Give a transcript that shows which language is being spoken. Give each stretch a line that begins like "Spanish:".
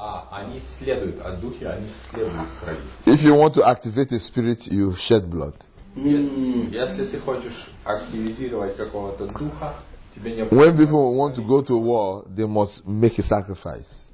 Russian: Они следуют, а духи, они следуют крови.
English: If you want to activate a spirit, you shed blood.
Russian: Если ты хочешь активизировать какого-то духа, тебе необходимо.
English: When people want to go to war, they must make a sacrifice.